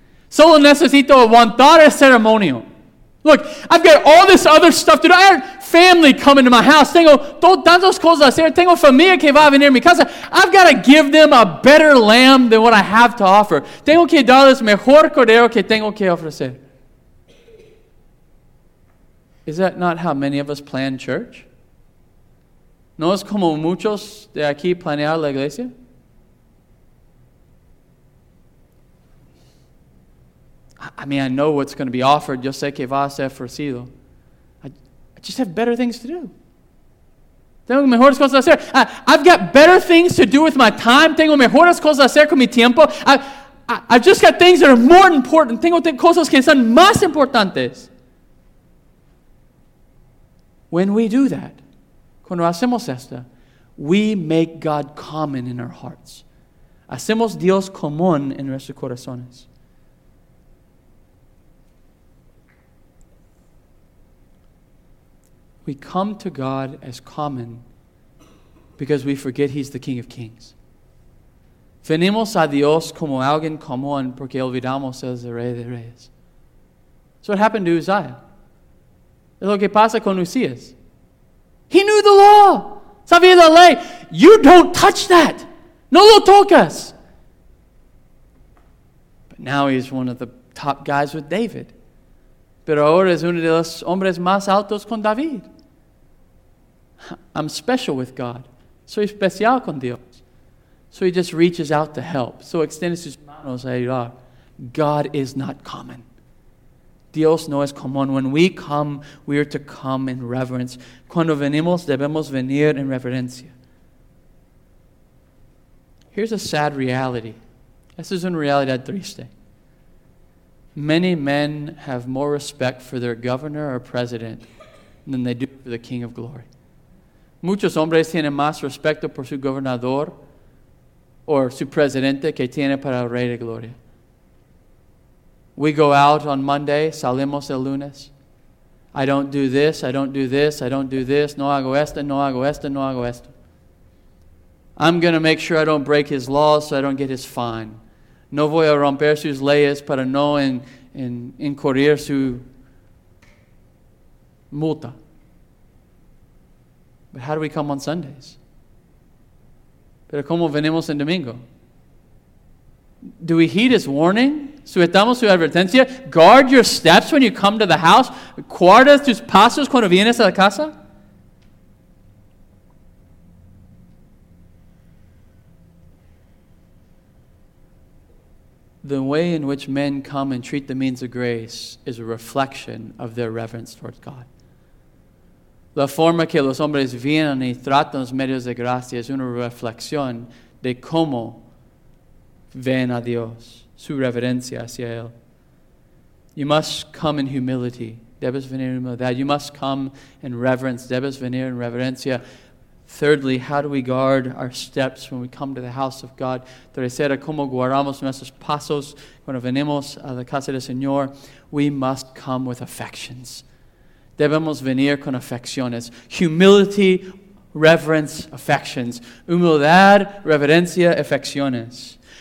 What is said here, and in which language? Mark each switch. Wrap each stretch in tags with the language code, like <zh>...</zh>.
<es>Solo necesito aguantar el ceremonio.</es> <en>Look, I've got all this other stuff to do. I have family coming to my house.</en> <es>Tengo tantas cosas a hacer. Tengo familia que va a venir a mi casa.</es> <en>I've got to give them a better lamb than what I have to offer.</en> <es>Tengo que darles mejor cordero que tengo que ofrecer.</es> <en>Is that not how many of us plan church?</en> <es>¿No es como muchos de aquí planear la iglesia?</es> <en>I mean, I know what's going to be offered.</en> <es>Yo sé que va a ser ofrecido.</es> <en>I just have better things to do.</en> <es>Tengo mejores cosas a hacer.</es> <en>I've got better things to do with my time.</en> <es>Tengo mejores cosas a hacer con mi tiempo.</es> <en>I've just got things that are more important.</en> <es>Tengo cosas que son más importantes.</es> <en>When we do that,</en> <es>cuando hacemos esto,</es> <en>we make God common in our hearts.</en> <es>Hacemos Dios común en nuestros corazones.</es> <en>We come to God as common because we forget he's the King of Kings.</en> <es>Venimos a Dios como alguien común porque olvidamos el Rey de Reyes.</es> <en>So what happened to Uzziah?</en> <es>Es lo que pasa con Uzzías.</es> <en>He knew the law.</en> <es>Sabía la ley.</es> <en>You don't touch that.</en> <es>No lo tocas.</es> <en>But now he's one of the top guys with David.</en> <es>Pero ahora es uno de los hombres más altos con David.</es> <en>I'm special with God.</en> <es>Soy especial con Dios.</es> <en>So he just reaches out to help.</en> <es>So extiende sus manos a ayudar.</es> <en>God is not common.</en> <es>Dios no es común.</es> <en>When we come, we are to come in reverence.</en> <es>Cuando venimos, debemos venir en reverencia.</es> <en>Here's a sad reality. This is</en> <es>una realidad triste.</es> <en>Many men have more respect for their governor or president than they do for the King of Glory.</en> <es>Muchos hombres tienen más respeto por su gobernador or su presidente que tiene para el Rey de Gloria.</es> <en>We go out on Monday,</en> <es>salimos el lunes.</es> <en>I don't do this, I don't do this, I don't do this.</en> <es>No hago esto, no hago esto, no hago esto.</es> <en>I'm going to make sure I don't break his laws so I don't get his fine.</en> <es>No voy a romper sus leyes para no incurrir su multa.</es> <en>But how do we come on Sundays?</en> <es>Pero ¿cómo venimos en domingo?</es> <en>Do we heed his warning?</en> <es>Sujetamos su advertencia.</es> <en>Guard your steps when you come to the house.</en> <es>Guarda tus pasos cuando vienes a la casa.</es> <en>The way in which men come and treat the means of grace is a reflection of their reverence towards God.</en> <es>La forma que los hombres vienen y tratan los medios de gracia es una reflexión de cómo ven a Dios, su reverencia hacia Él.</es> <en>You must come in humility.</en> <es>Debes venir en humildad.</es> <en>You must come in reverence.</en> <es>Debes venir en reverencia.</es> <en>Thirdly, how do we guard our steps when we come to the house of God?</en> <es>Tercera, ¿cómo guardamos nuestros pasos cuando venimos a la casa del Señor?</es> <en>We must come with affections.</en> <es>Debemos venir con afecciones.</es> <en>Humility, reverence, affections.</en> <es>Humildad, reverencia, afecciones.</es>